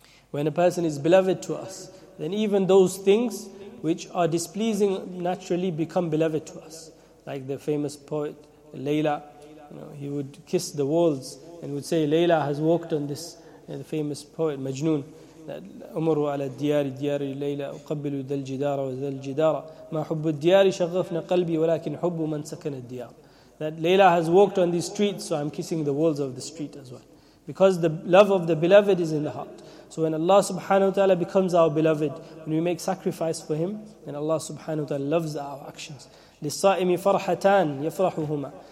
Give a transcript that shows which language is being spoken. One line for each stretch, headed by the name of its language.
English: When a person is beloved to us, then even those things which are displeasing naturally become beloved to us. Like the famous poet Layla, you know, he would kiss the walls and would say, Layla has walked on this, the famous poet Majnoon.
Arabic: أمروا على الديار ديار ليلى أقبل ذا الجدار وذا الجدار ما حب الديار شغفنا قلبي ولكن حب من سكن الديار.
English: That Layla has walked on these streets, so I'm kissing the walls of the street as well, because the love of the beloved is in the heart. So when Allah subhanahu wa ta'ala becomes our beloved, when we make sacrifice for Him, then Allah subhanahu wa ta'ala loves our actions.
Arabic: لِلصَّائِمِ فَرْحَتَانِ يَفْرَحُهُمَا.